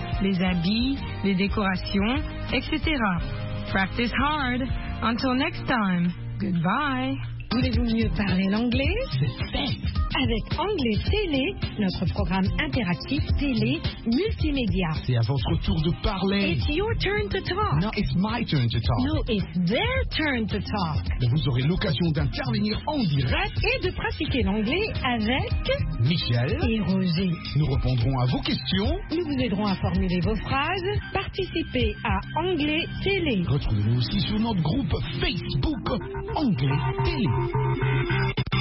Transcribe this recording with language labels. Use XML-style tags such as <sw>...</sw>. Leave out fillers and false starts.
<fr>Les habits, les décorations, etc.</fr> <en>Practice hard. Until next time. Goodbye.</en> <fr>Voulez-vous mieux parler l'anglais? Avec Anglais Télé, notre programme interactif télé multimédia. C'est à votre tour de parler.</fr> <en>It's your turn to talk. No, it's my turn to talk. No, it's their turn to talk.</en> <fr>Vous aurez l'occasion d'intervenir en direct et de pratiquer l'anglais avec Michel et Roger. Nous répondrons à vos questions. Nous vous aiderons à formuler vos phrases. Participez à Anglais Télé. Retrouvez-nous aussi sur notre groupe Facebook Anglais Télé.</fr>